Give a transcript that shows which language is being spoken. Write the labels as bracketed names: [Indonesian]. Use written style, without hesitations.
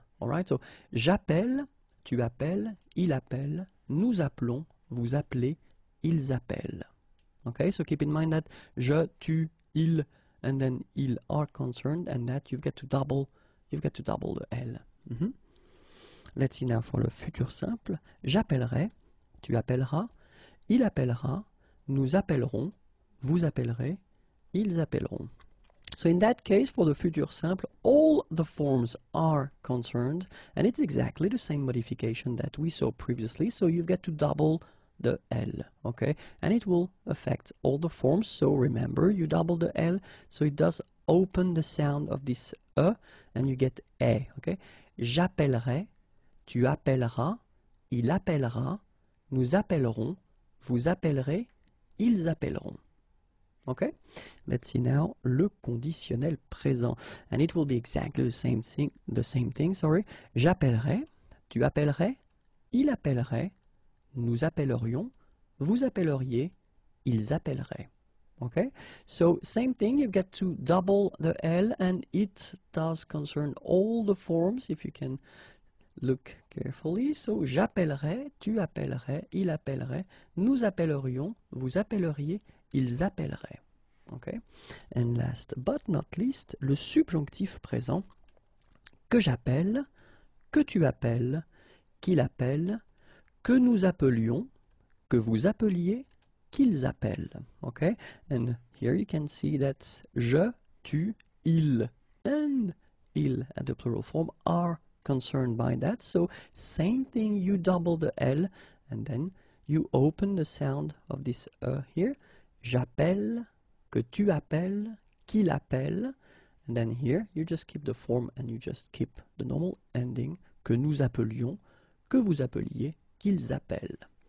[English] All right, so [French] j'appelle, tu appelles, il appelle, nous appelons, vous appelez, ils appellent. [English] Okay, so keep in mind that je, tu, il, and then il are concerned, and that you've got to double the L. Mm-hmm. Let's see now for the futur simple. [French] J'appellerai, tu appelleras, il appellera, nous appellerons, vous appellerez, ils appelleront. [English] So in that case, for the futur simple, all the forms are concerned, and it's exactly the same modification that we saw previously, so you've got to double the L, okay? And it will affect all the forms, so remember, you double the L, so it does open the sound of this E, and you get E, okay? [French] J'appellerai, tu appelleras, il appellera, nous appellerons, vous appellerez, ils appelleront. [English] Okay, let's see now le conditionnel présent. And it will be exactly the same thing. [French] J'appellerai, tu appellerais, il appellerait, nous appellerions, vous appelleriez, ils appelleraient. [English] Okay, so same thing, you get to double the L and it does concern all the forms if you can look carefully. [French] So j'appellerai, tu appellerais, il appellerait, nous appellerions, vous appelleriez, ils appelleraient. Okay. [English] And last but not least, le subjonctif présent. [French] Que j'appelle, que tu appelles, qu'il appelle, que nous appelions, que vous appeliez, qu'ils appellent. [English] Okay. And here you can see that je, tu, il, and il at the plural form are concerned by that. So same thing, you double the L and then you open the sound of this E here. [French] J'appelle, que tu appelles, qu'il appelle. [English] And then here, you just keep the form and you just keep the normal ending. [French] Que nous appelions, que vous appeliez, qu'ils appellent.